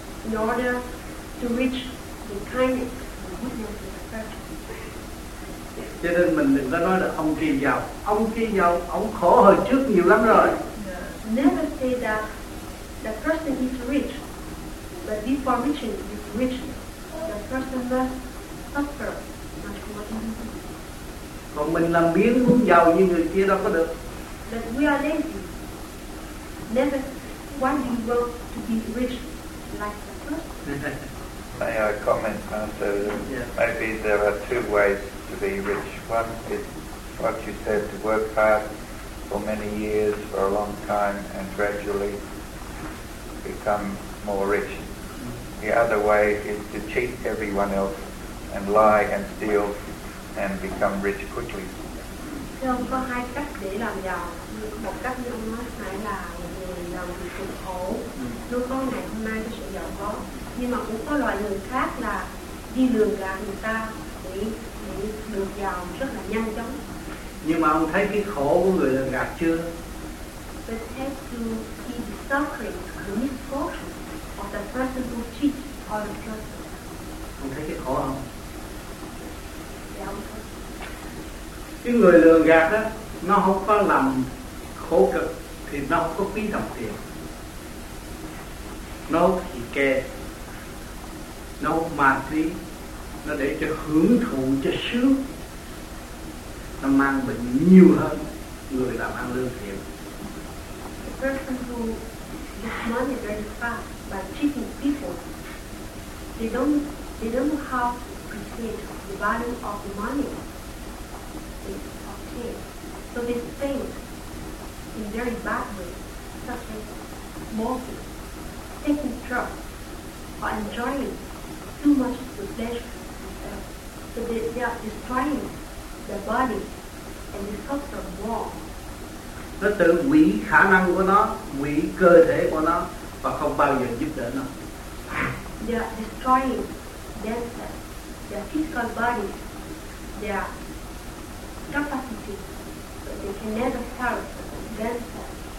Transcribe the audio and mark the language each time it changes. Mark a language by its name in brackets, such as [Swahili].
[English] In order to reach the kindness and goodness of the person. [Vietnamese] Cho nên mình đừng có nói là ông kia giàu. Ông kia giàu, ông khổ hồi trước nhiều lắm rồi. [English] Never say that the person is rich. But before reaching this richness, the person must suffer much more than you. [Vietnamese] Còn mình làm biếng muốn giàu như người kia đâu có được. [English] But we are lazy. Never want you will to be rich like the person. May I comment, Master? Yeah. Maybe there are two ways to be rich. One is what you said, to work hard for many years, for a long time, and gradually become more rich. The other way is to cheat everyone else and lie and steal and become rich quickly. [Vietnamese] Thưa ông, có hai cách để làm giàu. Một cách như ông nói phải là một người làm việc cực khổ, luôn có ngày hôm nay có sự giàu có. Nhưng mà cũng có loại người khác là đi lừa gạt người ta để được giàu rất là nhanh chóng. Nhưng mà ông thấy cái khổ của người lừa gạt chưa? [English] But have you seen the suffering, the misfortune of the person who cheats or the person? [Vietnamese] Ông thấy cái khổ không? Dạ, ông thấy. Cái người lừa gạt á, nó không có làm khổ cực thì nó không có phí đồng tiền. Nó thì kè, nó ma túy, nó để cho hưởng thụ cho sướng. Nó mang bệnh nhiều hơn người làm ăn lương thiện. [English] The person who gets money very fast by cheating people, they don't know how to appreciate the value of the money they obtain. So they spend in very bad ways, such as mortgage, taking drugs, or enjoying too much of the pleasure. So they are destroying their body and they suffer more. [Vietnamese] Nó tự hủy khả năng của nó, hủy cơ thể của nó và không bao giờ giúp đỡ nó. [English] they are destroying themselves, their physical bodies, their capacity, but they can never help themselves.